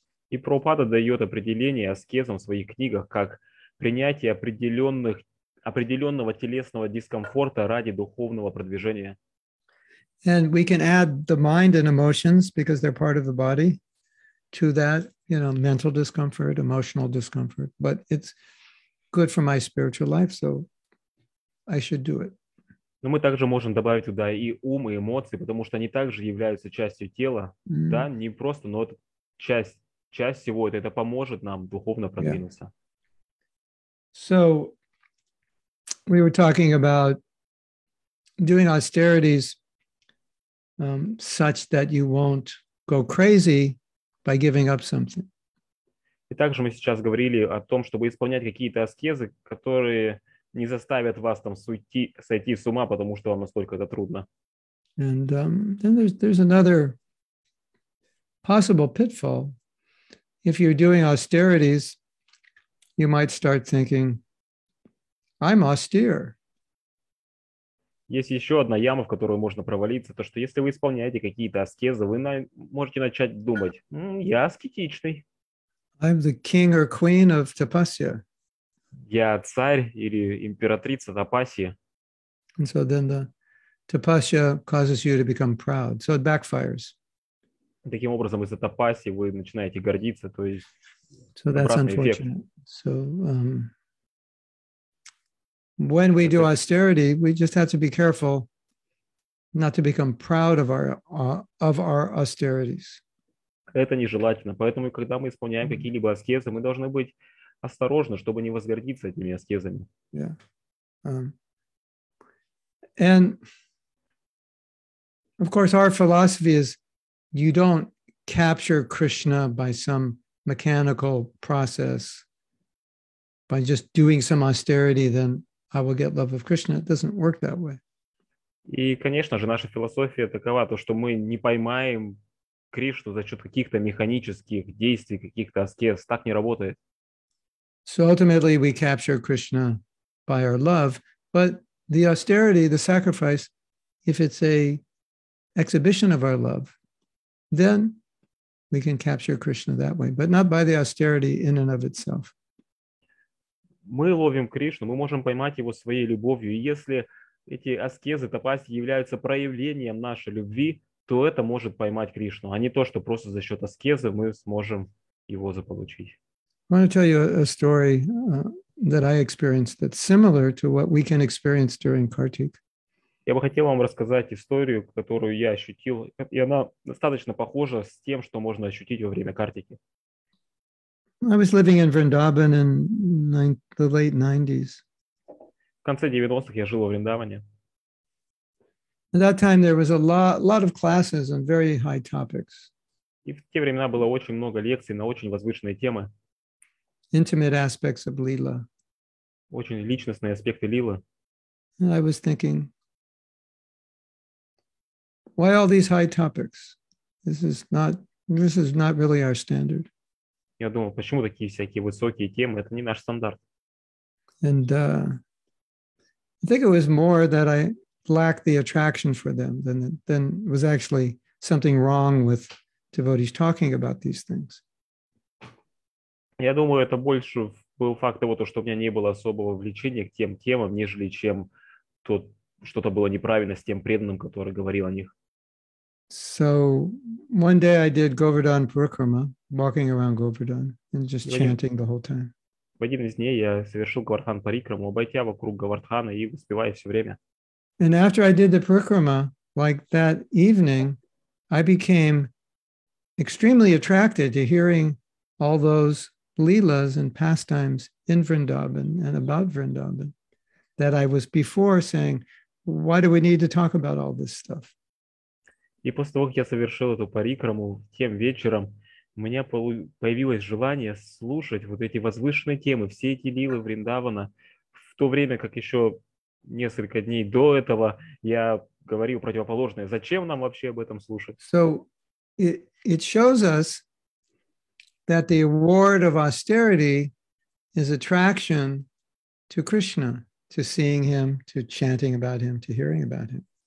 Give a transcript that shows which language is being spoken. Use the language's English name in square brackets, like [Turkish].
[Russian] И Прабхупада дает определение аскезам в своих книгах как принятие определенного телесного дискомфорта ради духовного продвижения. [English] And we can add the mind and emotions because they're part of the body to that, you know, mental discomfort, emotional discomfort. But it's good for my spiritual life, so I should do it. [Russian] Но мы также можем добавить туда и ум, и эмоции, потому что они также являются частью тела, mm-hmm. да, не просто, но это часть всего это поможет нам духовно продвинуться. [English] Yeah. So we were talking about doing austerities such that you won't go crazy by giving up something. [Russian] И также мы сейчас говорили о том, чтобы исполнять какие-то аскезы, которые не заставят вас там сойти с ума, потому что вам настолько это трудно. [English] And then there's another possible pitfall. If you're doing austerities, you might start thinking, I'm austere. [Russian] Есть еще одна яма, в которую можно провалиться, то что если вы исполняете какие-то аскезы, вы можете начать думать, я аскетичный. [English] I'm the king or queen of tapasya. [Russian] Я царь или императрица тапасии. [English] And so then the tapasya causes you to become proud. So it backfires. [Russian] Таким образом, из-за тапаси вы начинаете гордиться, то есть [English] so that's unfortunate. [Russian] Эффект. [English] So when we do austerity, we just have to be careful not to become proud of our austerities. [Russian] Это нежелательно. Поэтому, когда мы исполняем mm-hmm. какие-либо аскезы, мы должны быть осторожны, чтобы не возгордиться этими аскезами. [English] Yeah. And of course, our philosophy is you don't capture Krishna by some mechanical process, by just doing some austerity, then I will get love of Krishna. It doesn't work that way. [Russian] И, конечно же, наша философия такова, то, что мы не поймаем Кришну за счет каких-то механических действий, каких-то аскез. Так не работает. [English] So ultimately we capture Krishna by our love, but the austerity, the sacrifice, if it's a exhibition of our love, then we can capture Krishna that way, but not by the austerity in and of itself. [Russian] Мы ловим Кришну, мы можем поймать его своей любовью, и если эти аскезы, тапаси являются проявлением нашей любви, то это может поймать Кришну, а не то, что просто за счет аскезы мы сможем его заполучить. [English] I want to tell you a story that I experienced that's similar to what we can experience during Kartik. [Russian] Я бы хотел вам рассказать историю, которую я ощутил, и она достаточно похожа с тем, что можно ощутить во время Картики. [English] I was living in Vrindavan in the late 90s. [Russian] В конце 90-х я жил в Вриндаване. [English] At that time there was a lot of classes on very high topics. [Russian] И в те времена было очень много лекций на очень возвышенные темы. [English] Intimate aspects of Leela. [Russian] Очень личностные аспекты Лилы. [English] And I was thinking, why all these high topics? This is not really our standard. [Russian] Я думал, почему такие всякие высокие темы? Это не наш стандарт. [English] And I think it was more that I lacked the attraction for them than it was actually something wrong with devotees talking about these things. [Russian] Я думаю, это больше был факт того, что у меня не было особого влечения к тем темам, нежели чем тот, что-то было неправильно с тем преданным, который говорил о них. [English] So one day I did Govardhan Parikrama, walking around Govardhan and just chanting the whole time. [Russian] В один из дней я совершил Говардхан Парикраму, обойдя вокруг Говардхана и воспевая все время. [English] And after I did the Parikrama, like that evening, I became extremely attracted to hearing all those Leelas and pastimes in Vrindavan and about Vrindavan that I was before saying, why do we need to talk about all this stuff? [Russian] И после того, как я совершил эту парикраму тем вечером, у меня появилось желание слушать вот эти возвышенные темы, все эти лилы Вриндавана, в то время как еще несколько дней до этого я говорил противоположное. Зачем нам вообще об этом слушать? [English] So it shows us that the award of austerity is attraction to Krishna, to seeing him, to chanting about him, to hearing about him.